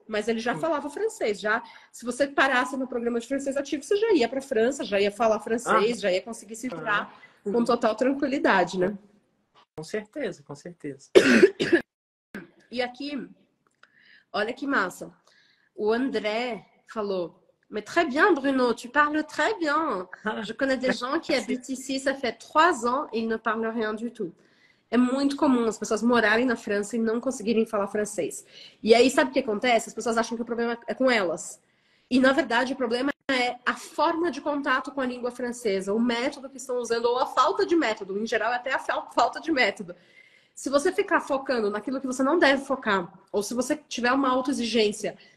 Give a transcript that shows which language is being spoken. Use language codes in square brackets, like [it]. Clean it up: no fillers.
[pt] Mas ele já falava francês, já, se você parasse no programa de francês ativo, você já ia pra França, já ia falar francês, já ia conseguir se entrar com total tranquilidade, né? Com certeza, com certeza. E aqui, olha que massa, o André falou... [fr] Mais très bien, Bruno, tu parles très bien. Je connais des gens qui habitent ici, ça fait 3 ans, et ils ne parlent rien du tout. [pt] É muito comum as pessoas morarem na França e não conseguirem falar francês. E aí, sabe o que acontece? As pessoas acham que o problema é com elas. E, na verdade, o problema é a forma de contato com a língua francesa, o método que estão usando, ou a falta de método. Em geral, é até a falta de método. Se você ficar focando naquilo que você não deve focar, ou se você tiver uma autoexigência...